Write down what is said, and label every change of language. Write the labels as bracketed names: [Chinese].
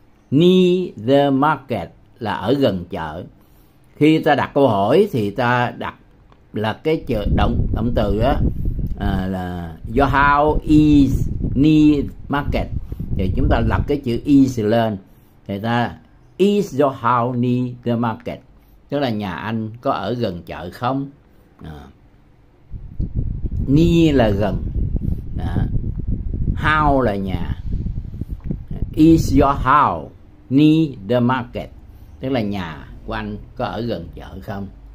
[English] Near the market [Vietnamese] là ở gần chợ. Khi ta đặt câu hỏi thì ta đặt là cái chợ, động từ đó, là [English] your house is near market. [Vietnamese] Thì chúng ta lập cái chữ is lên. Thì ta [English] is your house near the market. [Vietnamese] Tức là nhà anh có ở gần chợ không? Near là gần. How là nhà. [English] Is your house near the market? [Vietnamese] Tức là nhà của anh có ở gần chợ không?